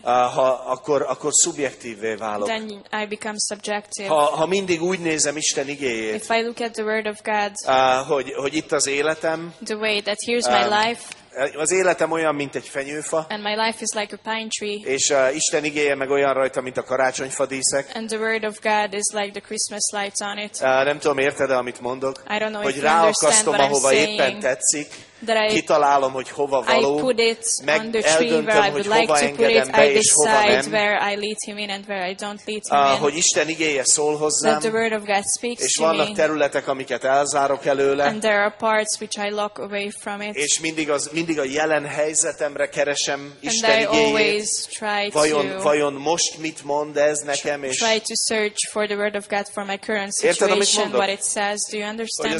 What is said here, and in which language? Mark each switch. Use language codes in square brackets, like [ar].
[hu] akkor szubjektívvé válok. [en] Then I become subjective. [hu] Ha mindig úgy nézem Isten igéjét, [en] if I look at the word of God, [hu] hogy itt az életem, [en] the way that here's my life, [hu] az életem olyan, mint egy fenyőfa, [en] and my life is like a pine tree, [hu] és Isten igéje meg olyan rajta, mint a karácsonyfa díszek, [en] and the word of God is like the Christmas lights on it. [hu] Nem tudom, érted-e, amit mondok, [en] I don't know [hu] hogy [en] if you [hu] ráakasztom, ahova [en] saying, [hu] éppen tetszik, [en] that I, [hu] kitalálom, hogy hova való, [en] I put it [hu] meg [en] on the tree [hu] eldöntöm, [en] where I would like to put it, I decide [hu] nem, [en] where I lead him in and where I don't lead him in. [hu] Hogy Isten igéje szól hozzám, [en] that the word of God speaks to me, [hu] és vannak területek, amiket elzárok előle, [en] and there are parts which I lock away from it, [hu] és mindig a jelen helyzetemre keresem Isten [en] and [hu] igéjét, [en] I always try to [hu] vajon most mit mond ez nekem, és [en] try to search for the word of God for my current situation, what it says, do you understand